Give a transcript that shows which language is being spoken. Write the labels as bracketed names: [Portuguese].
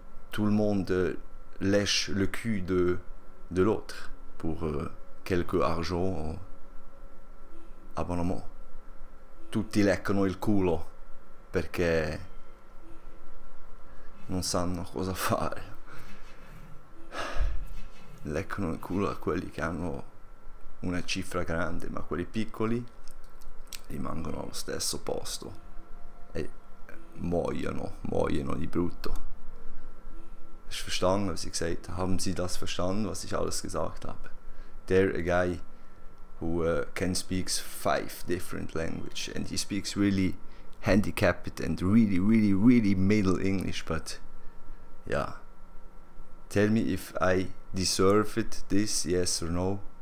[French] Tout le monde lèche le cul de l'autre pour quelques argent abonnement. [Italian] Tutti leccano il culo perché non sanno cosa fare. Leccano il culo a quelli che hanno una cifra grande, ma quelli piccoli rimangono allo stesso posto e muoiono di brutto. [German] Hast du verstanden, was ich gesagt habe? Haben Sie das verstanden, was ich alles gesagt habe? [English] There a guy who can speak 5 different languages, and he speaks really handicapped and really, really, really middle English, but yeah. Tell me if I deserve it, this, yes or no?